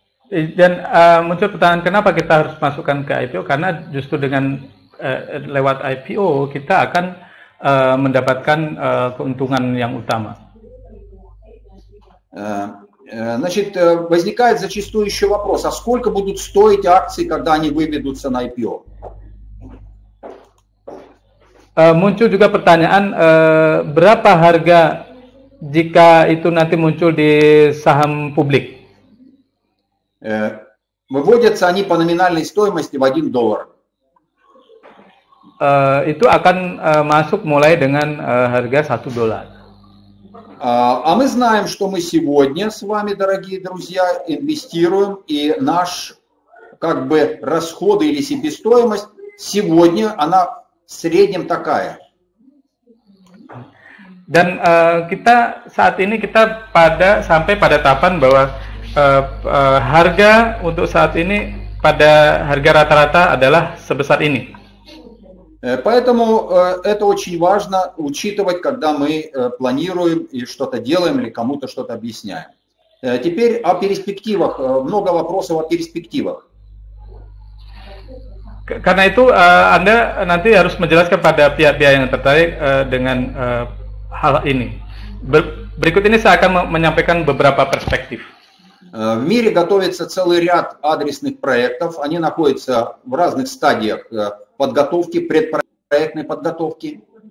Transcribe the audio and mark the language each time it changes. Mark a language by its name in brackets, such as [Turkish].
[Indonesian] Dan muncul pertanyaan kenapa kita harus masukkan ke IPO, karena justru dengan lewat IPO kita akan mendapatkan keuntungan yang utama. [Russian] Значит, возникает зачастую еще вопрос, а сколько будут стоить акции, когда они выведутся на IPO? [Indonesian] Muncul juga pertanyaan, berapa harga jika itu nanti muncul di saham publik? [Russian] Выводятся они по номинальной стоимости в 1 доллар. [Indonesian] Itu akan masuk mulai dengan harga 1 dolar. [Russian] А мы знаем, что мы сегодня с вами, дорогие друзья, инвестируем, и наш как бы расходы или себестоимость сегодня она в среднем такая. [Indonesian] Dan kita saat ini kita pada sampai pada tahapan bahwa harga untuk saat ini pada harga rata-rata adalah sebesar ini. [Russian] Поэтому это очень важно учитывать, когда мы планируем и что-то делаем или кому-то что-то объясняем. Теперь о перспективах. Много вопросов о перспективах. [Indonesian] Karena itu Anda nanti harus menjelaskan pada pihak-pihak yang tertarik dengan hal ini. Berikut ini saya akan menyampaikan beberapa perspektif. [Russian] В мире готовится целый ряд адресных проектов. Они находятся в разных стадиях подготовки, предпроектной подготовки.